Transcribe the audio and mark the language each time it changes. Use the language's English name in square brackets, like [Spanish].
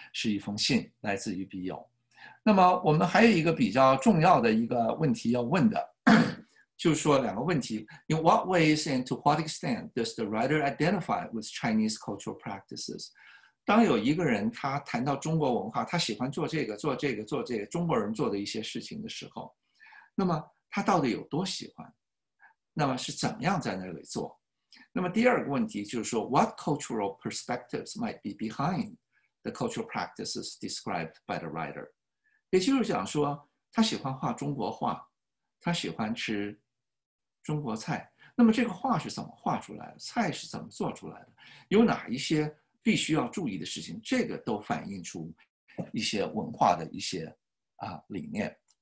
[Chinese] 是一封信来自于笔友。那么我们还有一个比较重要的一个问题要问的，就是说两个问题， [English] In what ways and to what extent does the writer identify with Chinese cultural practices? [Chinese] 当有一个人他谈到中国文化，他喜欢做这个做这个做这个中国人做的一些事情的时候，那么他到底有多喜欢，那么是怎么样在那里做。那么第二个问题就是说 [English] What cultural perspectives might be behind the cultural practices described by the writer? [Chinese] 也就是讲说他喜欢画中国画，他喜欢吃中国菜，那么这个画是怎么画出来的，菜是怎么做出来的，有哪一些必须要注意的事情，这个都反映出一些文化的一些理念。